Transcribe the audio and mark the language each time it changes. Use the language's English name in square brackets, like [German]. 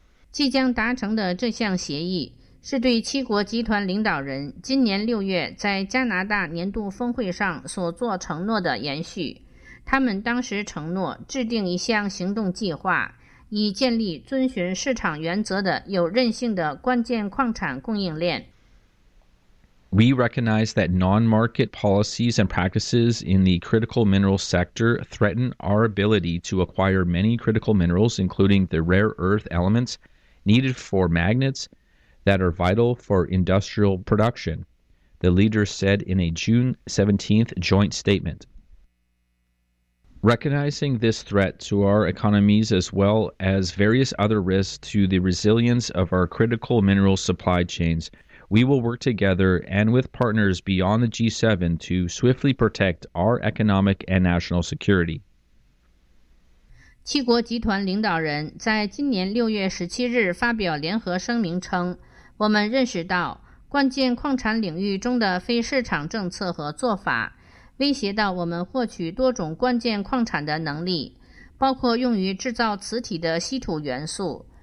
[Chinese] 即将达成的这项协议是对七国集团领导人今年六月在加拿大年度峰会上所做承诺的延续。他们当时承诺制定一项行动计划，以建立遵循市场原则的有韧性的关键矿产供应链。 [English] We recognize that non-market policies and practices in the critical mineral sector threaten our ability to acquire many critical minerals, including the rare earth elements needed for magnets that are vital for industrial production, the leader said in a June 17th joint statement. Recognizing this threat to our economies as well as various other risks to the resilience of our critical mineral supply chains, we will work together and with partners beyond the G7 to swiftly protect our economic and national security. [Chinese] 七国集团领导人在今年六月十七日发表联合声明称，我们认识到关键矿产领域中的非市场政策和做法威胁到我们获取多种关键矿产的能力，包括用于制造磁体的稀土元素。